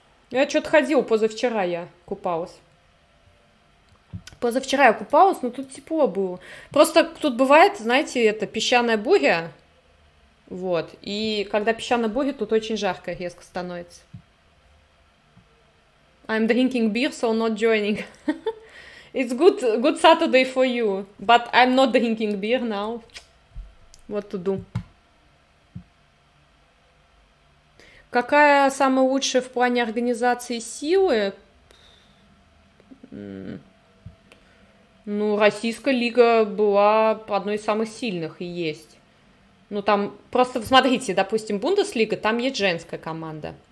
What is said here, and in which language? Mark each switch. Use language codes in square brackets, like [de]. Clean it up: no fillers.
[ru] Я что-то ходила, позавчера я купалась. Позавчера я купалась, но тут тепло было. Просто тут бывает, знаете, это песчаная буря. Вот. И когда песчаная буря, тут очень жарко резко становится. [en] I'm drinking beer, so not joining. It's good Saturday for you, but I'm not drinking beer now. [ru] Вот туду. Какая самая лучшая в плане организации силы? Ну, российская лига была одной из самых сильных и есть. Ну, там просто, смотрите, допустим, Бундеслига, там есть женская команда.